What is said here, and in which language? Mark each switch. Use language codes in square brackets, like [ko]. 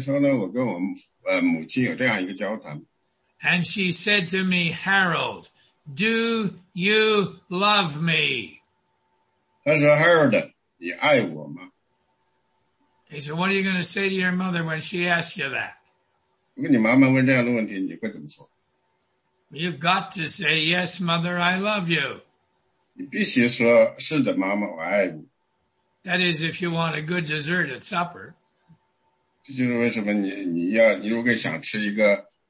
[zh] 因为我把这个故事讲了很多遍，但是今天我仍然讲一遍，就是强调，当我还是个小男孩的时候呢，我跟我母亲有这样一个交谈。 [en] And she said to me, Harold, do you love me? [zh] 他说, Harold, 你爱我吗? [en] He said, what are you going to say to your mother when she asks you that? [zh] 如果你妈妈问这样的问题，你会怎么说? [en] You've got to say, yes, mother, I love you. [zh] 你必须说，是的，妈妈，我爱你。 [en] That is, if you want a good dessert at supper. [zh] 这就是为什么你如果想吃一个